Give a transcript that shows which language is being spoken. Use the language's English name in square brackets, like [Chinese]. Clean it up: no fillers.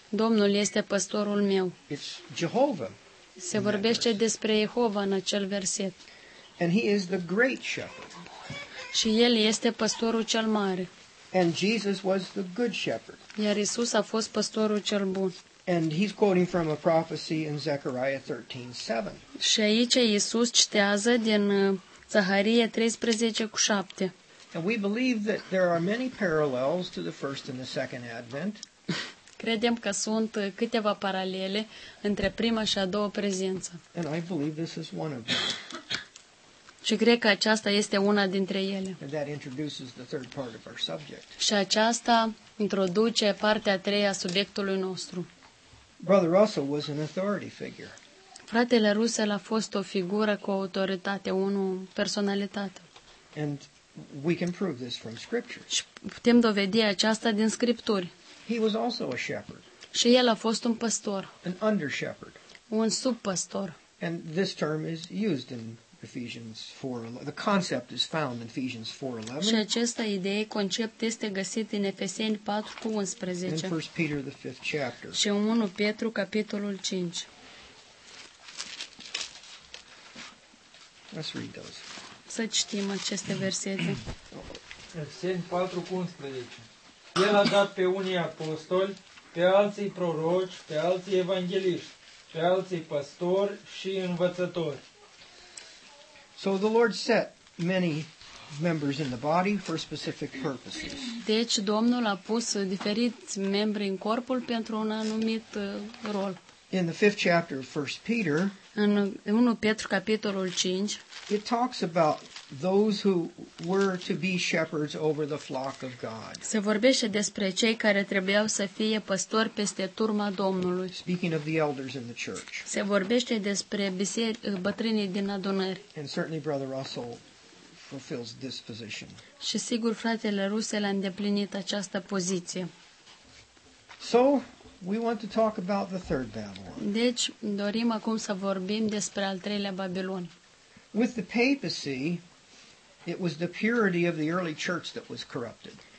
[Romanian] Domnul este păstorul meu. [English] It's Jehovah. [Romanian] Se vorbește despre Jehova în acel verset. [English] And he is the great shepherd. [Romanian] Și el este păstorul cel mare. [English] And Jesus was the good shepherd. [Romanian] Iar Iisus a fost păstorul cel bun. [English] And he's quoting from a prophecy in Zechariah 13:7. [Romanian] Și aici Iisus citează din Zaharia 13:7. [English] And we believe that there are many parallels to the first and the second advent. [Romanian] Credem că sunt câteva paralele între prima și a doua prezență. [English] And I believe this is one of them. [Romanian] Și cred că aceasta este una dintre ele. [English] And that introduces the third part of our subject. [Romanian] Și aceasta introduce partea a treia a subiectului nostru. [English] Brother Russell was an authority figure. [Romanian] Fratele Russell a fost o figură cu autoritate, o personalitate. [English] And we can prove this from scripture. [Romanian] Și putem dovedi aceasta din scripturi. [English] He was also a shepherd. [Romanian] Și el a fost un păstor. [English] An under shepherd. [Romanian] Un subpăstor. [English] And this term is used in Ephesians 4, the concept is found in Ephesians 4:11. [Romanian] Și această idee, concept este găsit în Efeseni 4:11. [English] In 1 Peter the 5th chapter. [Romanian] Și în 1 Petru capitolul 5. [English] Let's read those. [Romanian] Să citim aceste versete. Efeseni 4:11. El a dat pe unii apostoli, pe alții proroci, pe alții evangeliști, pe alții păstori și învățători. [English] So the Lord set many members in the body for specific purposes. [Romanian] Deci Domnul a pus diferiți membri în corpul pentru un anumit rol. [English] In the 5th chapter of 1 Peter, [Romanian] în 1 Petru capitolul 5, [English] it talks about those who were to be shepherds over the flock of God. [Romanian] Se vorbește despre cei care trebuiau să fie păstori peste turma Domnului. [English] Speaking of the elders in the church. [Romanian] Se vorbește despre bătrânii din adunări. [English] And certainly Brother Russell fulfills this position. [Romanian] Și sigur fratele Russell a îndeplinit această poziție. [English] So we want to talk about the third Babylon. [Romanian] Deci dorim acum să vorbim despre al treilea Babilon. [English] With the papacy, it was the purity of the early church that was corrupted.